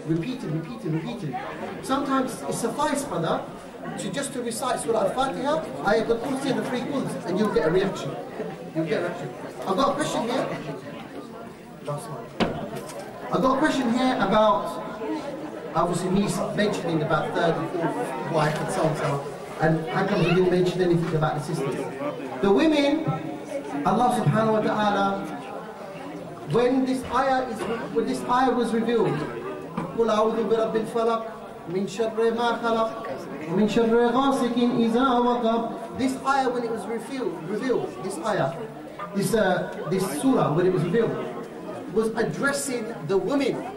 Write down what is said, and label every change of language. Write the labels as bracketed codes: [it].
[en] Repeat it, repeat it, repeat it. Sometimes it suffices, brother, to just to recite Surah Al-Fatiha, Ayat al-Kursi and the three quls, and you'll get a reaction. You'll get a reaction. I've got a question here. I've got a question here about obviously me mentioning about third and fourth wife and so on, so and how come he didn't mention anything about the sisters? The women, Allah subhanahu wa ta'ala, when this ayah was revealed, [ar] قُلْ أَعُوذُ بِرَبِّ الْفَلَقِ مِنْ شَرِّ مَا خَلَقَ وَمِنْ شَرِّ غَاسِقٍ إِذَا وَقَبَ. [en] This ayah, when it was revealed, this ayah, this surah, when it was revealed, was addressing the women.